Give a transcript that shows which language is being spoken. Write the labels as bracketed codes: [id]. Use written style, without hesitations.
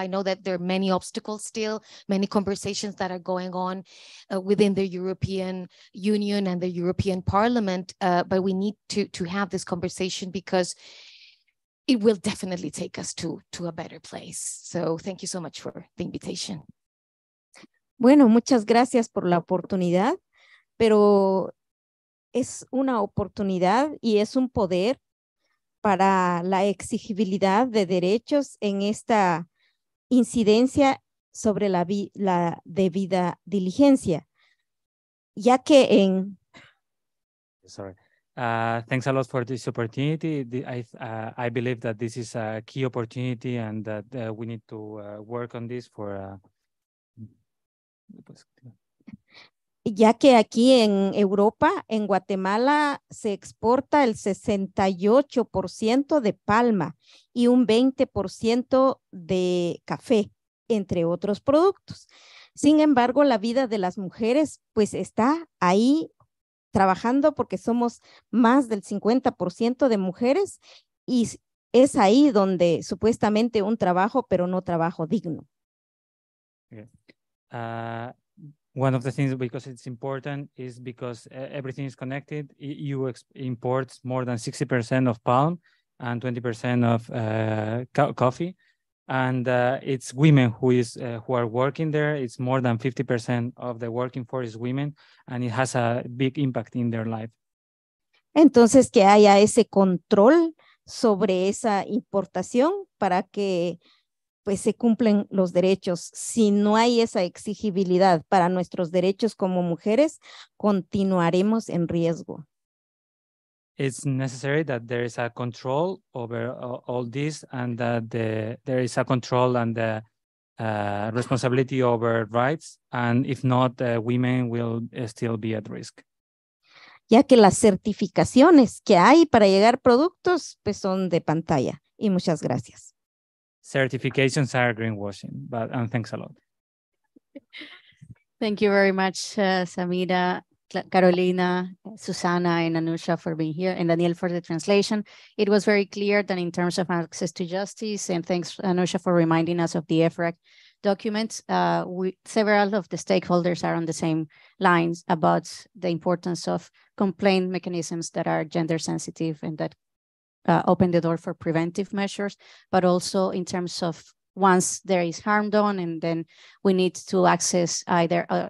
[en] I know that there are many obstacles still, many conversations that are going on within the European Union and the European Parliament, but we need to have this conversation because it will definitely take us to a better place. So thank you so much for the invitation. [es] Bueno, muchas gracias por la oportunidad, pero es una oportunidad y es un poder para la exigibilidad de derechos en esta incidencia sobre la debida diligencia, ya que en... [en] Sorry. Thanks a lot for this opportunity. I believe that this is a key opportunity and that we need to work on this for... [es] Ya que aquí en Europa, en Guatemala, se exporta el 68% de palma y un 20% de café, entre otros productos. Sin embargo, la vida de las mujeres pues está ahí trabajando porque somos más del 50% de mujeres y es ahí donde supuestamente un trabajo, pero no trabajo digno. [en] Yeah. One of the things, because it's important, is because everything is connected. EU imports more than 60% of palm and 20% of coffee. And it's women who are working there. It's more than 50% of the working force is women, and it has a big impact in their life. [es] Entonces, que haya ese control sobre esa importación para que pues se cumplen los derechos. Si no hay esa exigibilidad para nuestros derechos como mujeres, continuaremos en riesgo. [en] It's necessary that there is a control over all this and that there is a control and the responsibility over rights. And if not, women will still be at risk. [es] Ya que las certificaciones que hay para llegar productos, pues son de pantalla. Y muchas gracias. [en] Certifications are greenwashing, but and thanks a lot. Thank you very much, Samira, Carolina, Susana, and Anusha for being here, and Daniel for the translation. It was very clear that in terms of access to justice, and thanks, Anusha, for reminding us of the EFRAG documents, several of the stakeholders are on the same lines about the importance of complaint mechanisms that are gender sensitive and that open the door for preventive measures, but also in terms of once there is harm done, and then we need to access either